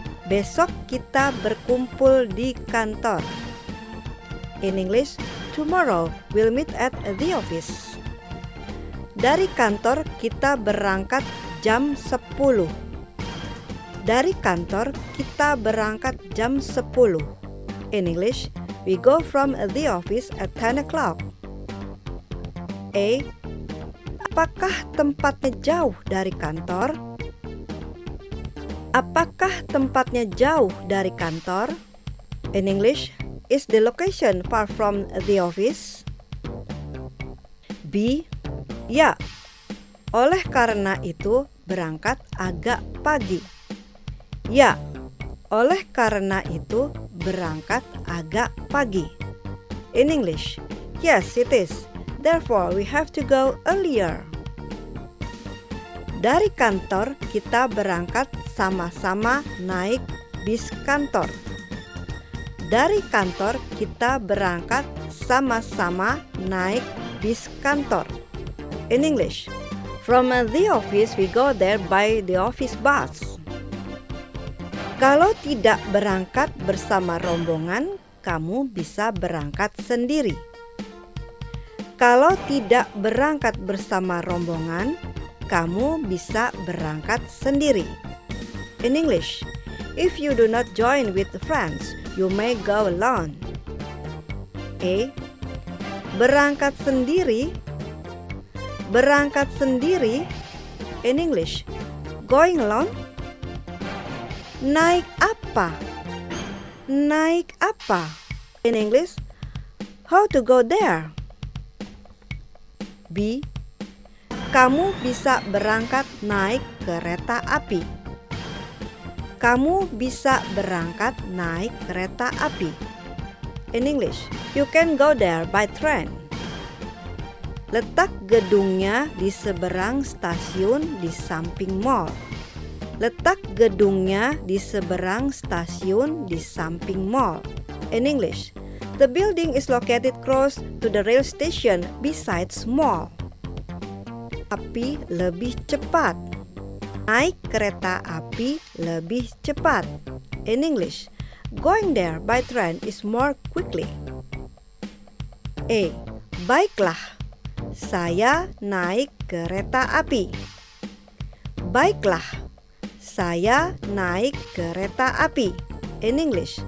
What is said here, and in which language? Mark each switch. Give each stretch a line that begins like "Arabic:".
Indonesian: Besok kita berkumpul di kantor.
English: In English, tomorrow we'll meet at the office.
Indonesian: Dari kantor kita berangkat jam 10. Dari kantor kita berangkat jam 10.
English: In English, we go from the office at 10 o'clock. A.
Indonesian: Apakah tempatnya jauh dari kantor? Apakah tempatnya jauh dari kantor?
English: In English, is the location far from the office?
Indonesian: B. Ya. Oleh karena itu, berangkat agak pagi. Ya. Oleh karena itu, berangkat agak pagi.
English: In English, yes, it is. Therefore, we have to go earlier.
Indonesian: Dari kantor, kita berangkat sama-sama naik bis kantor. Dari kantor, kita berangkat sama-sama naik bis kantor.
English: In English, from the office, we go there by the office bus.
Indonesian: Kalau tidak berangkat bersama rombongan, kamu bisa berangkat sendiri. Kalau tidak berangkat bersama rombongan, kamu bisa berangkat sendiri.
English: In English, if you do not join with friends, you may go alone.
Indonesian: A. Berangkat sendiri. Berangkat sendiri.
English: In English, going alone.
Indonesian: Naik apa? Naik apa?
English: In English, how to go there? B.
Indonesian: Kamu bisa berangkat naik kereta api. Kamu bisa berangkat naik kereta api.
English: In English, you can go there by train.
Indonesian: Letak gedungnya di seberang stasiun di samping mall. Letak gedungnya di seberang stasiun di samping mall.
English: In English, the building is located close to the rail station besides mall.
Indonesian: Api lebih cepat. Naik kereta api lebih cepat.
English: In English, going there by train is more quickly.
Indonesian: A. Baiklah, saya naik kereta api. Baiklah, saya naik kereta api.
English: in English.